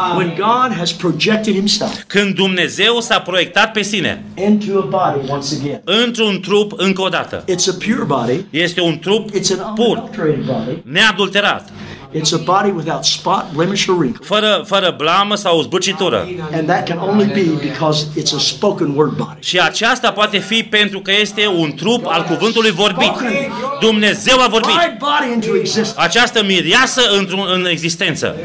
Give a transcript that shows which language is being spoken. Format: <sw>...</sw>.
<en>God has projected himself.</en> <ro>Când Dumnezeu s-a proiectat pe sine</ro> <en>into a body once again.</en> <ro>Într-un trup încă o dată.</ro> <en>It's a pure body.</en> <ro>Este un trup</ro> <en>It's an</en> <ro>pur,</ro> <en>unadulterated body.</en> <ro>Neadulterat.</ro> <en>It's a body without spot, blemish or wrinkle.</en> <ro>Fără blamă sau zbârcitură.</ro> <en>And that can only be because it's a spoken word body.</en> <ro>Și aceasta poate fi pentru că este un trup al cuvântului vorbit. Dumnezeu a vorbit. Această mireasă în existență.</ro>